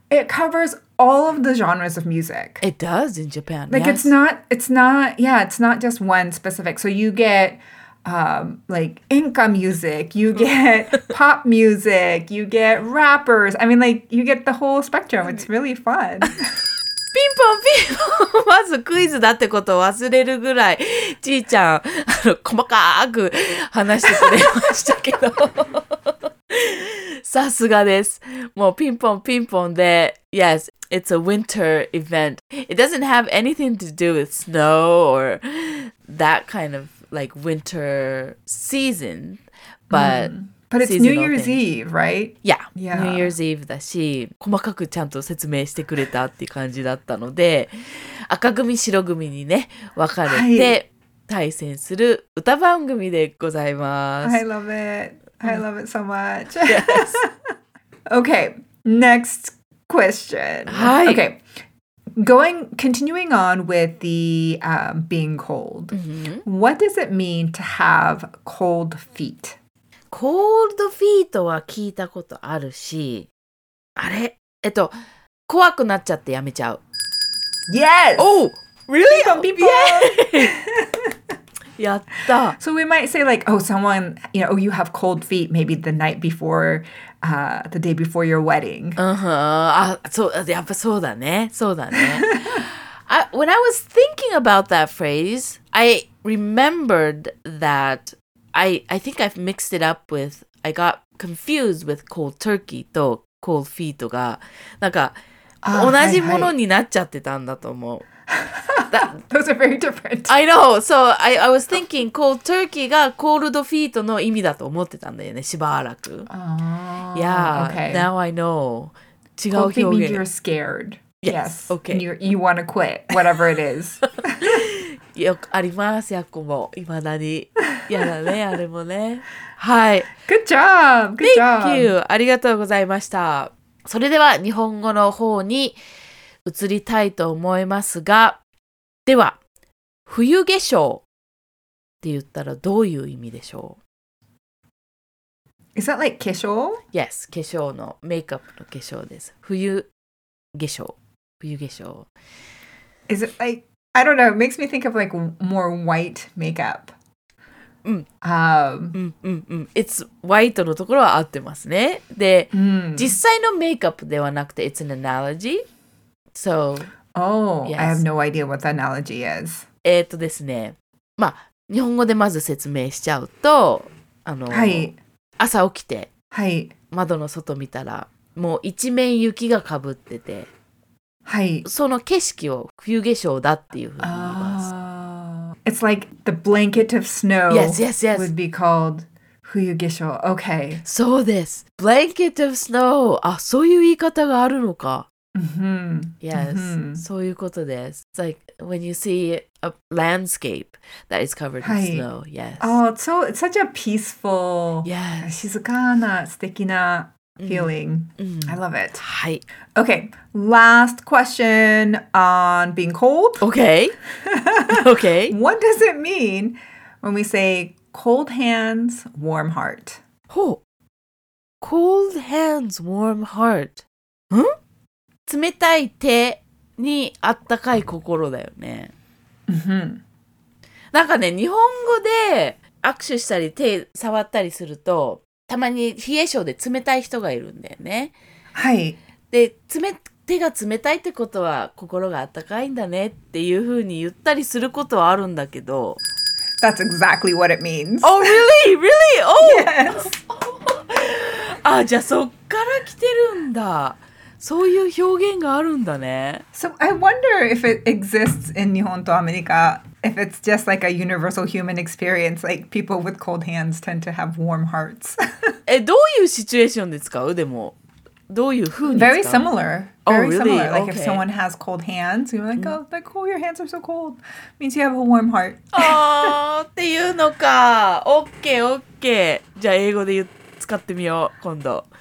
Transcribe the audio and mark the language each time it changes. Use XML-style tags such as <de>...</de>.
<en>it covers all of the genres of music. It does in Japan. Like, yes. it's not just one specific. So you get, like, Inka music, you get pop music, you get rappers. I mean, like, you get the whole spectrum. It's really fun.</en> <ja>ピンポンピンポン。まずクイズだってことを忘れるぐらい、ちいちゃん、細かーく話してくれましたけど。さすがです。もうピンポンピンポンで、</ja> <en>Yes, it's a winter event. It doesn't have anything to do with snow or that kind of like winter season, but...、Mm. But it's New Year's Eve, right? Yeah. yeah. New Year's Eve</en> <ja>だし、細かくちゃんと説明してくれたっていう感じだったので、赤組、白組にね、分かれて対戦する歌番組でございます。</ja> <en>I love it. I love it so much. Yes. okay, next question.</en> <ja>はい。</ja> <en>Okay, continuing on with the、being cold,、 mm-hmm. what does it mean to have cold feet?</en> <ja>コールドフィートは聞いたことあるし、あれ、怖くなっちゃってやめちゃう。</ja> <en>Yes! Oh! Really? Feet on people! Yeah!</en> <ja>やった。</ja> <en>So we might say like, oh, someone, you know, oh, you have cold feet maybe the night before, the day before your wedding.</en> <ja>Uh-huh. Ah, so, やっぱそうだね。そうだね。</ja> <en>When I was thinking about that phrase, I remembered that I think I've mixed it up with, I got confused with cold turkey と cold feet が、</en> <ja>なんか、同じものになっちゃってたんだと思う。</ja> <en>Those are very different. I know. So I was thinking cold turkey が cold feet</en> <ja>の意味だと思ってたんだよね、しばらく。</ja> <en>Yeah, okay. Now I know.</en> <ja>違う表現。</ja> <en>Cold feet means you're scared. Yes. Okay. And you want to quit, whatever it is.</en> <ja>よくあります、やっこも。いまだに。やだね、あれもね。はい。</ja> <en>Good job! Good job! Thank you!</en> <ja>ありがとうございました。それでは日本語の方に移りたいと思いますが、では冬化粧って言ったらどういう意味でしょう。</ja> <en>Is that like 化粧？</en> <ja>Yes, 化粧のメイクアップの化粧です。冬化粧。</ja> <en>Is it like, I don't know, it makes me think of like more white makeup. It's white</en> <ja>のところは合ってますね。で、実際のメイクアップではなくて、</ja> <en>it's an analogy. So, Oh, yes. I have no idea what the analogy is.</en> <ja>ですね。まあ、日本語でまず説明しちゃうと、はい、朝起きて、はい、窓の外見たら、もう一面雪がかぶってて、はい、その景色を冬化粧だっていうふうに言います。</ja> <en>It's like the blanket of snow. Yes, yes, yes. Would be called 冬化粧。Okay.</en> <ja>そうです。</ja> <en>Blanket of snow.</en> <ja>あ、そういう言い方があるのか。</ja> <en>Mm-hmm. Yes, so you go to this. It's like when you see a landscape that is covered in snow. Yes. Oh, so it's such a peaceful, yes,</en> <ja>静かな素敵な</ja> <en>feeling. Mm-hmm. I love it.</en> <ja>はい。</ja> <en>Okay, last question on being cold. Okay. Okay. What does it mean when we say cold hands, warm heart? Oh, cold hands, warm heart. Huh?</en> <ja>冷たい手にあったかい心だよね。うん。なんかね、日本語で握手したり手触ったりすると、たまに冷え性で冷たい人がいるんだよね。はい。で、手が冷たいってことは心があったかいんだねっていうふうに言ったりすることはあるんだけど。</ja> <en>That's exactly what it means. Oh, really? Really? Oh! Yes!</en> <ja>あ、じゃあそっから来てるんだ。そういう表現があるんだね。</ja> <en>So I wonder if it exists in</en> <ja>日本とアメリカ、</ja> <en>if it's just like a universal human experience, like people with cold hands tend to have warm hearts.</en> <ja>どういうシチュエーションで使う？でも、どういうふうに使う？</ja> <en>Very similar. Very similar. Like、 okay. if someone has cold hands, you're like, oh, like, oh, your hands are so cold. Means you have a warm heart.</en> <ja>あーっていうのか。</ja> <en>OK, OK.</en> <ja>じゃあ英語で使ってみよう、今度。</ja>